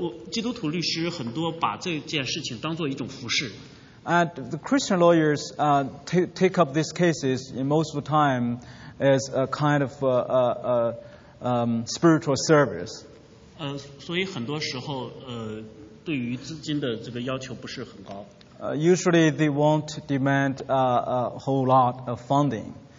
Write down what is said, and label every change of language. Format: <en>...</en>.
<zh>基督徒律师很多把这件事情当作一种服事。</zh> <en>And the Christian lawyers take up these cases in most of the time as a kind of spiritual service.</en> <zh>所以很多时候对于资金的这个要求不是很高。</zh> <en>Usually they won't demand a whole lot of funding.</en>